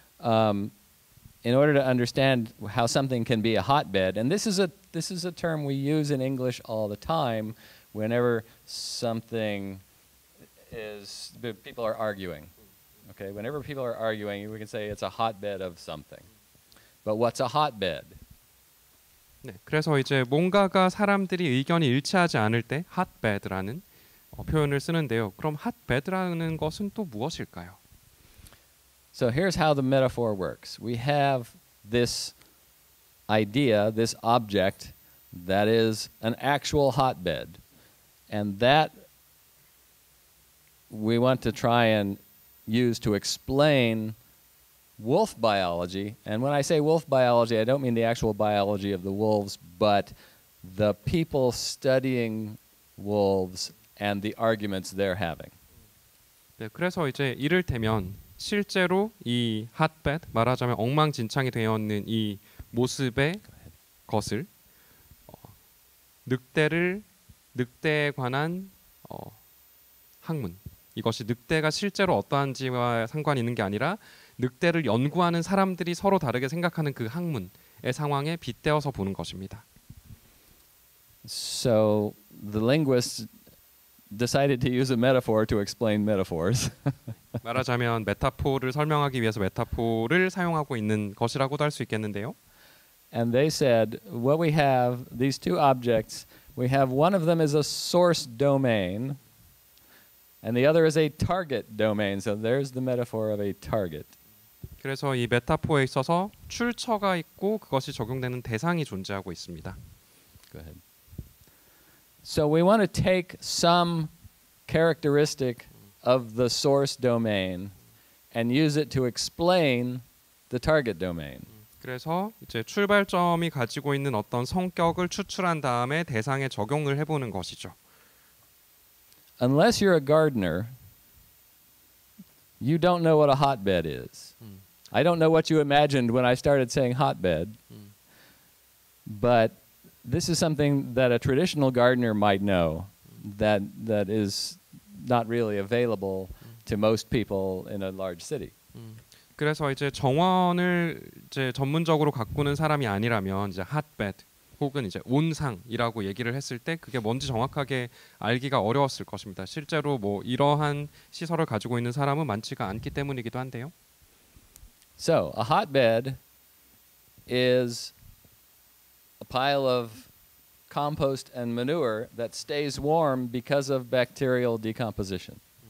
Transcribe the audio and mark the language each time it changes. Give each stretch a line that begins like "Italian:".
English: In order to understand how something can be a hotbed, and this is a term we use in English all the time, whenever something is people are arguing. Okay, whenever people are arguing, we can say it's a hotbed of something. But what's a hotbed?
Korean: 네, 그래서 이제 뭔가가 사람들이 의견이 일치하지 않을 때 hotbed라는 표현을 쓰는데요. 그럼 hotbed라는 것은 또 무엇일까요?
English: So here's how the metaphor works. We have this idea, this object, that is an actual hotbed. And that we want to try and use to explain wolf biology. And when I say wolf biology, I don't mean the actual biology of the wolves, but the people studying wolves and the arguments they're having.
Korean: 네, 그래서 이제 이를테면 실제로 이 핫벳, 말하자면 엉망진창이 되었는 이 모습의 것을 늑대에 관한 학문, 이것이 늑대가 실제로 어떠한지와 상관이 있는 게 아니라 늑대를 연구하는 사람들이 서로 다르게 생각하는 그 학문의 상황에 빗대어서 보는 것입니다.
English: So the linguists decided to use a metaphor to explain metaphors.
Korean: 말하자면 메타포를 설명하기 위해서 메타포를 사용하고 있는 것이라고도 할 수 있겠는데요.
English: And they said, what we have, these two objects, we have one of them is a source domain, and the other is a target domain. So there's the metaphor of a target.
Korean: 그래서 이 메타포에 있어서 출처가 있고 그것이 적용되는 대상이 존재하고 있습니다.
English: Go ahead. So we want to take some characteristic of the source domain and use it to explain the target domain.
Korean: 그래서 이제 출발점이 가지고 있는 어떤 성격을 추출한 다음에 대상에 적용을 해보는 것이죠.
English: Unless you're a gardener, you don't know what a hotbed is. I don't know what you imagined when I started saying hotbed, but this is something that a traditional gardener might know that is not really available to most people in a large city.
Korean: 그래서 이제 정원을 이제 전문적으로 가꾸는 사람이 아니라면 이제 핫벳 혹은 이제 온상이라고 얘기를 했을 때 그게 뭔지 정확하게 알기가 어려웠을 것입니다. 실제로 뭐 이러한 시설을 가지고 있는 사람은 많지가 않기 때문이기도 한데요.
English: So, a hotbed is a pile of compost and manure that stays warm because of bacterial decomposition.